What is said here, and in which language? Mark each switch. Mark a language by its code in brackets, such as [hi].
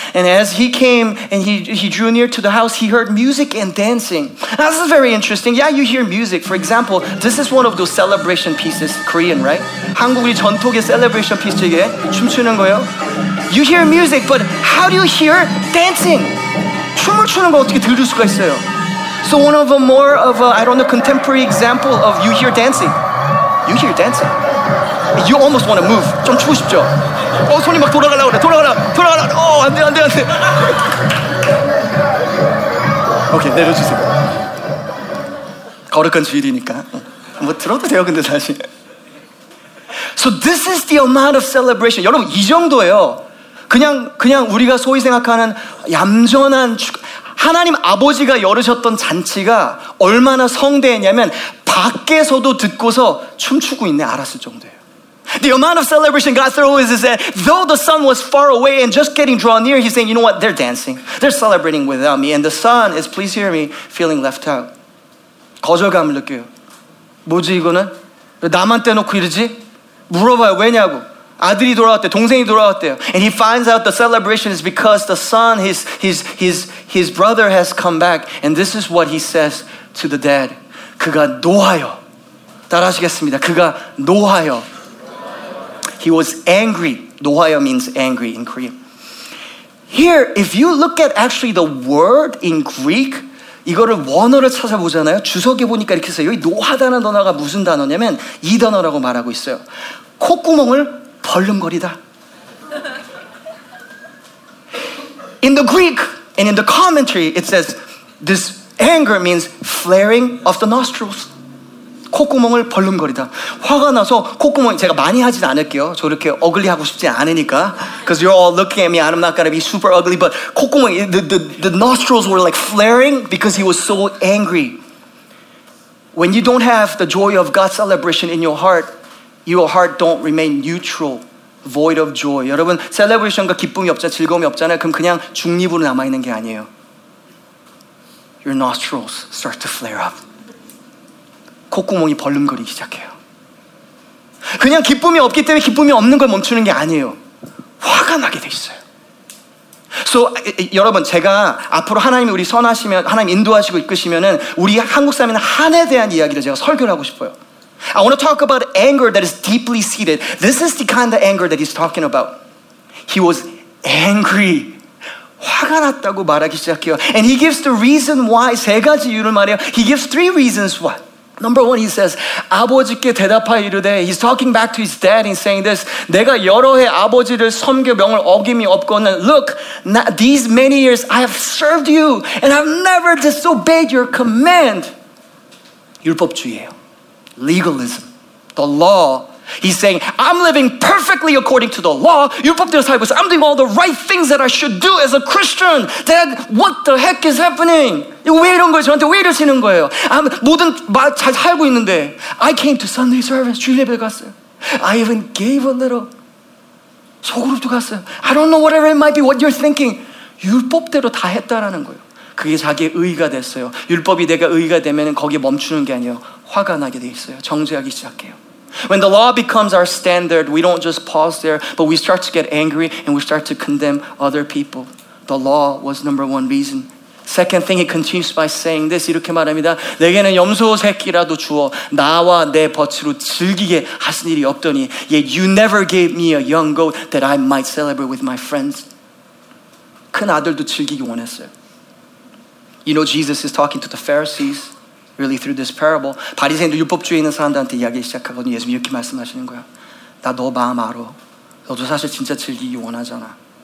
[en] And as he came and he drew near to the house, he heard music and dancing. Now, this is very interesting. Yeah, you hear music. For example, this is one of those celebration pieces, Korean, right? [ko] 한국의 전통의 celebration piece 중에 춤추는 거요. [en] You hear music, but how do you hear dancing? [ko] 춤을 추는 걸 어떻게 들을 수가 있어요? [en] So one of a more of a, I don't know, contemporary example of you hear dancing. You hear dancing. You almost want to move. [ko] 좀 추고 싶죠? 어, 손이 막 돌아가려고 그래. 돌아가라, 돌아가라. 어, 안 돼, 안 돼, 안 돼. 오케이, 내려주세요. 거룩한 주일이니까. 뭐 들어도 돼요, 근데 사실. [en] So this is the amount of celebration. [ko] 여러분, 이 정도예요. 그냥 우리가 소위 생각하는 얌전한 축... 하나님 아버지가 열으셨던 잔치가 얼마나 성대했냐면 밖에서도 듣고서 춤추고 있네 알았을 정도예요. [en] The amount of celebration God throws is that though the son was far away and just getting drawn near, he's saying, you know what, they're dancing. They're celebrating without me. And the son is, please hear me, feeling left out. [ko] 거절감을 느껴요. 뭐지 이거는? 왜 나만 떼놓고 이러지? 물어봐요. 왜냐고. 아들이 돌아왔대. 동생이 돌아왔대요. [en] And he finds out the celebration is because the son, his brother has come back. And this is what he says to the dad. [ko] 그가 노하여. 따라하시겠습니다. 그가 노하여. [en] He was angry. 노하여 means angry in Korean. Here, if you look at actually the word in Greek, [ko] 이거를 원어를 찾아보잖아요. 주석에 보니까 이렇게 써요. 여기 노하다는 단어가 무슨 단어냐면 이 단어라고 말하고 있어요. 콧구멍을 벌름거리다. [en] In the Greek and in the commentary, it says this anger means flaring of the nostrils. [ko] 콧구멍을 벌름거리다. 화가 나서 콧구멍 제가 많이 하진 않을게요. 저렇게 ugly 하고 싶지 않으니까. [en] Because you're all looking at me, I'm not gonna be super ugly. But 콧구멍, the nostrils were like flaring because he was so angry. When you don't have the joy of God's celebration in your heart, your heart don't remain neutral, void of joy. [ko] 여러분, 셀레브레이션과 기쁨이 없잖아요, 즐거움이 없잖아요. 그럼 그냥 중립으로 남아있는 게 아니에요. [en] Your nostrils start to flare up. [ko] 콧구멍이 벌름거리기 시작해요. 그냥 기쁨이 없기 때문에 기쁨이 없는 걸 멈추는 게 아니에요. 화가 나게 돼 있어요. So, 여러분, 제가 앞으로 하나님이 우리 선하시면, 하나님 인도하시고 이끄시면은 우리 한국 사람인 한에 대한 이야기를 제가 설교를 하고 싶어요. [en] I want to talk about anger that is deeply seated. This is the kind of anger that he's talking about. He was angry. [ko] 화가 났다고 말하기 시작해요. [en] And he gives the reason why. [ko] 세 가지 이유를 말해요. [en] He gives three reasons why. Number one, he says, [ko] 아버지께 대답하여 이르되, [en] he's talking back to his dad and he's saying this, [ko] 내가 여러 해 아버지를 섬겨 명을 어김이 없거늘, [en] look, these many years I have served you and I've never disobeyed your command. [ko] 율법주의예요. [en] Legalism, the law. He's saying, I'm living perfectly according to the law. [ko] 율법대로 살고 있어. [en] I'm doing all the right things that I should do as a Christian. Dad, what the heck is happening? [ko] 왜 이런 거예요? 저한테 왜 이러시는 거예요? 모든 잘 살고 있는데. [en] I came to Sunday service. [ko] 주일 예배 갔어요. [en] I even gave a little. [ko] 소그룹도 갔어요. [en] I don't know whatever it might be, what you're thinking. [ko] 율법대로 다 했다라는 거예요. 그게 자기의 의의가 됐어요. 율법이 내가 의의가 되면 거기에 멈추는 게 아니에요. 화가 나게 돼 있어요. 정죄하기 시작해요. [en] When the law becomes our standard, we don't just pause there, but we start to get angry and we start to condemn other people. The law was number one reason. Second thing, he continues by saying this, [ko] 이렇게 말합니다. 내게는 염소 새끼라도 주어 나와 내 버추로 즐기게 하신 일이 없더니 [en] yet you never gave me a young goat that I might celebrate with my friends. [ko] 큰 아들도 즐기기 원했어요. [en] You know, Jesus is talking to the Pharisees, really through this parable. [ko] 바리새인도 율법주의 있는 사람들한테 이야기 시작하거든요. 예수님 이렇게 말씀하시는 거야. 나 너 마음 알아. 너도 사실 진짜 즐기기 원하잖아.